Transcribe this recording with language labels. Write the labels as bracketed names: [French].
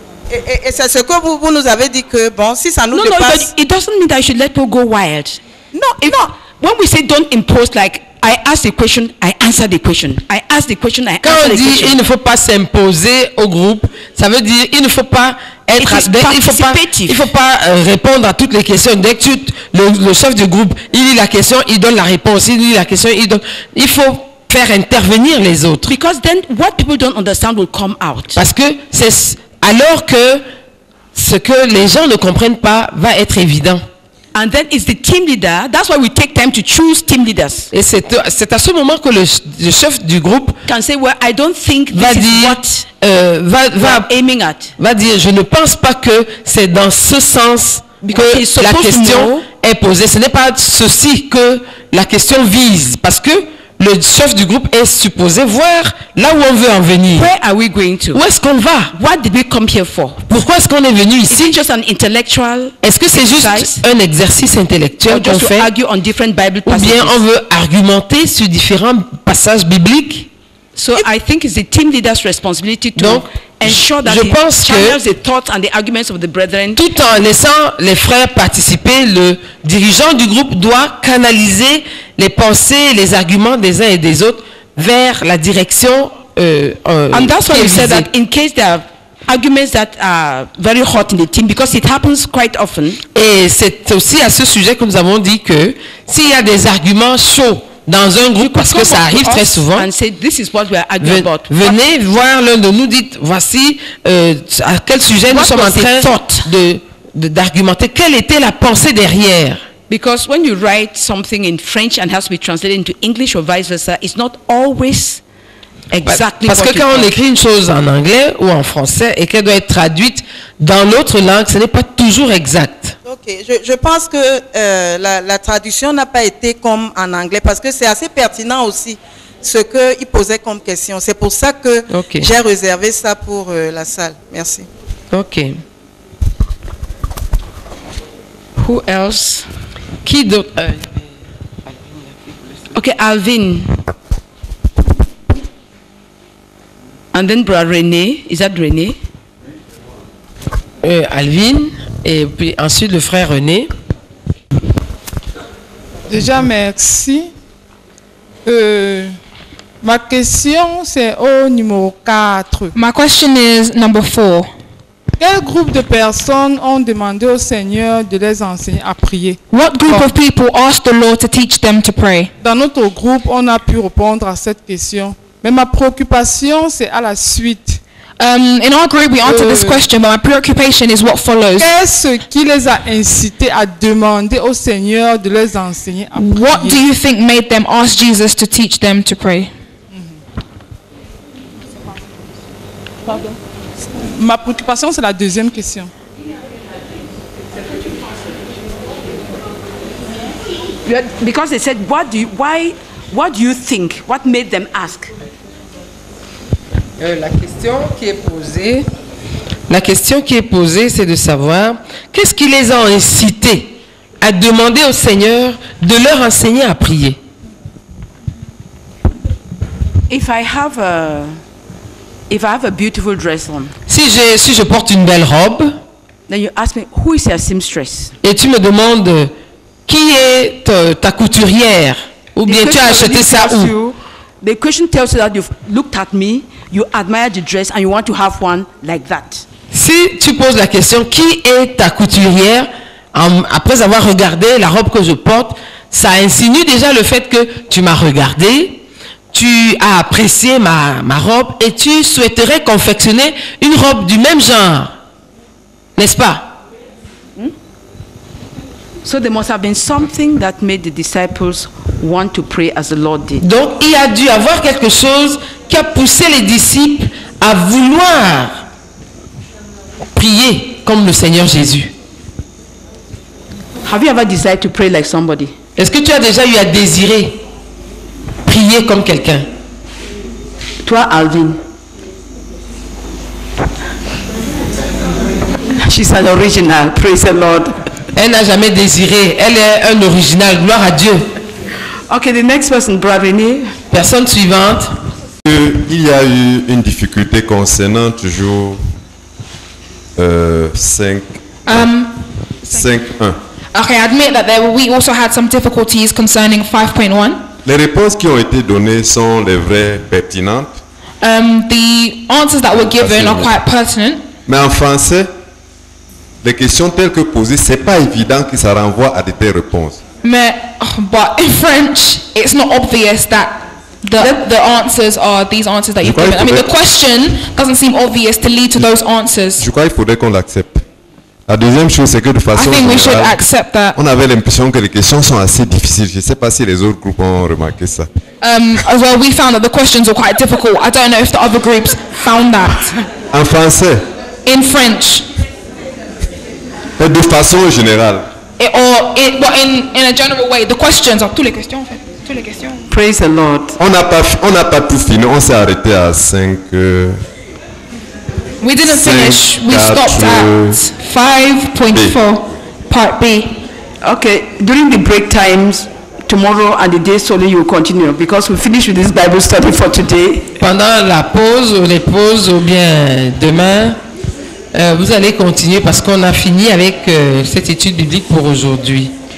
[French] Et c'est ce que vous nous avez dit que bon si ça nous dépasse. [English] No, it doesn't mean that you should let people go wild. No, no. When we say don't impose, like I ask the question, I answer the question. I ask the question, I answer the question. [French] Quand on dit il ne faut pas s'imposer au groupe, ça veut dire il ne faut pas être participatif. Il faut pas répondre à toutes les questions. Dès que tu, le chef du groupe, il lit la question, il donne la réponse. Il lit la question, il donne. Il faut faire intervenir les autres. [English] Because then what people don't understand will come out. [French] Parce que c'est alors que ce que les gens ne comprennent pas va être évident. [English] And then it's the team leader. That's why we take time to choose team leaders. [French] Et c'est à ce moment que le chef du groupe [English] can say, well, I don't think this [French] va [English] aiming at. [French] Va dire, je ne pense pas que c'est dans ce sens que la question est posée. Ce n'est pas ceci que la question vise, parce que le chef du groupe est supposé voir là où on veut en venir. [English] Where are we going to? [French] Où est-ce qu'on va? [English] What did we come here for? [French] Pourquoi est-ce qu'on est venu ici? [English] Just an intellectual. [French] Est-ce que c'est juste un exercice intellectuel qu'on fait? [English] To argue on different Bible passages? [French] Ou bien on veut argumenter sur différents passages bibliques? [English] So I think it's the team leader's responsibility to ensure that he channels the thoughts and the arguments of the brethren. [French] Tout en laissant les frères participer, le dirigeant du groupe doit canaliser les pensées, les arguments des uns et des autres vers la direction. [English] And that's why we said that in case there are arguments that are very hot in the team, because it happens quite often. [French] Et c'est aussi à ce sujet que nous avons dit que s'il y a des arguments chauds dans un groupe, parce que ça arrive très souvent, venez voir l'un de nous, dites voici à quel sujet nous sommes en train d'argumenter, quelle était la pensée derrière. [English] Because when you write something in French and has to be translated into English or vice versa, it's not always exactly. [French] Parce que quand on écrit une chose en anglais ou en français et qu'elle doit être traduite dans l'autre langue, ce n'est pas toujours exact. Ok, je pense que la traduction n'a pas été comme en anglais, parce que c'est assez pertinent aussi ce qu'il posait comme question. C'est pour ça que j'ai réservé ça pour la salle. Merci. Ok. [English] Who else? [French] Qui d'autre? [English] Ok, Alvin. And then Brother René. Is that René? [French] Alvin, et puis ensuite le frère René. Déjà, merci. Ma question, c'est au numéro 4. [English] My question is number 4. [French] Quel groupe de personnes ont demandé au Seigneur de les enseigner à prier? [English] What group of people asked the Lord to teach them to pray? [French] Dans notre groupe, on a pu répondre à cette question. Mais ma préoccupation, c'est à la suite. [English] In our group, we answered this question, but my preoccupation is what follows. [French] Qu'est-ce qui les a incités à demander au Seigneur de les enseigner à prier? [English] What do you think made them ask Jesus to teach them to pray? [French] Pardon. Ma préoccupation, c'est la deuxième question. [English] Because they said, what do you think? What made them ask? [French] La question qui est posée, c'est de savoir qu'est-ce qui les a incités à demander au Seigneur de leur enseigner à prier. [English] If I have a beautiful dress on. [French] Si je porte une belle robe. [English] Then you ask me who is your seamstress. [French] Et tu me demandes qui est ta couturière ou bien tu as acheté ça où. [English] The question tells you that you've looked at me, you admire the dress and you want to have one like that. [French] Si tu poses la question qui est ta couturière, après avoir regardé la robe que je porte, ça insinue déjà le fait que tu m'as regardé, tu as apprécié ma robe et tu souhaiterais confectionner une robe du même genre. N'est-ce pas? [English] So there must have been something that made the disciples want to pray as the Lord did. [French] Donc il y a dû avoir quelque chose qui a poussé les disciples à vouloir prier comme le Seigneur Jésus. [English] Have you ever desired to pray like somebody? [French] Est-ce que tu as déjà eu à désirer prier comme quelqu'un? Toi, Alvin. [English] She's an original. Praise the Lord. [French] Elle n'a jamais désiré. Elle est un original. Gloire à Dieu. [English] Okay, the next person, Brother René. [French] Personne suivante. Il y a eu une difficulté concernant toujours 5.1. [English] Okay, I admit that we also had some difficulties concerning 5.1. [French] Les réponses qui ont été données sont les vraies pertinentes. [English] The answers that were given are quite pertinent. [French] Mais en français, les questions telles que posées, c'est pas évident que ça renvoie à de telles réponses. Mais, [English] but in French, it's not obvious that the answers are these answers that you've given. I mean, the question doesn't seem obvious to lead to those answers. [French] Je crois qu'il faudrait qu'on l'accepte. La deuxième chose, c'est que de façon générale, on avait l'impression que les questions sont assez difficiles. Je ne sais pas si les autres groupes ont remarqué ça. [English] Well, we found that the questions were quite difficult. I don't know if the other groups found that. [French] En français. [English] In French. [French] Et de façon générale. [English] In a general way, the questions are [French] toutes les questions en fait, toutes les questions. [English] Praise the Lord. [French] On n'a pas tout fini. On s'est arrêté à 5. [English] We didn't finish. We stopped at 5.4, part B. Okay. During the break times tomorrow and the day solely, you continue because we finish with this Bible study for today. [French] Pendant la pause ou les pauses ou bien demain. Vous allez continuer parce qu'on a fini avec cette étude biblique pour aujourd'hui.